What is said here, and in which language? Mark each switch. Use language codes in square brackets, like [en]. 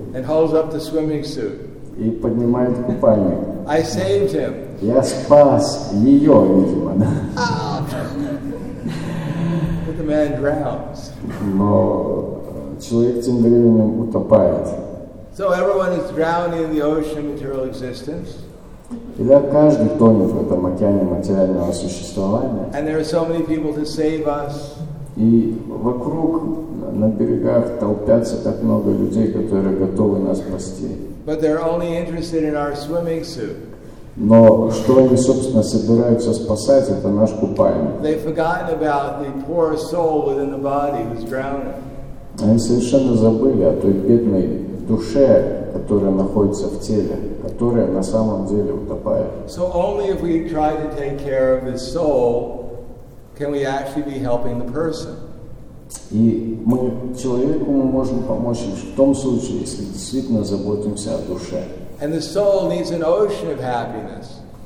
[en] And holds up the swimming suit. [ru] И поднимает купальник. [en] I saved him. [ru] Я спас ее, видимо. [en] Man drowns. [ru] Но человек тем временем утопает. [en] So everyone is drowning in the ocean material existence. [ru] И да, каждый тонет в этом океане материального существования. [en] And there are so many people to save us. [ru] И вокруг на берегах толпятся так много людей, которые готовы нас спасти. [en] But they're only interested in our swimming suit. [ru] Но что они, собственно, собираются спасать, это наш купальник. [en] They've forgotten about the poor soul within the body who's drowning. [ru] Они совершенно забыли о той бедной душе, которая находится в теле, которая на самом деле утопает. [en] So only if we try to take care of this soul can we actually be helping the person. [ru] И мы человеку мы можем помочь в том случае, если действительно заботимся о душе. [en] And the soul needs an ocean of happiness.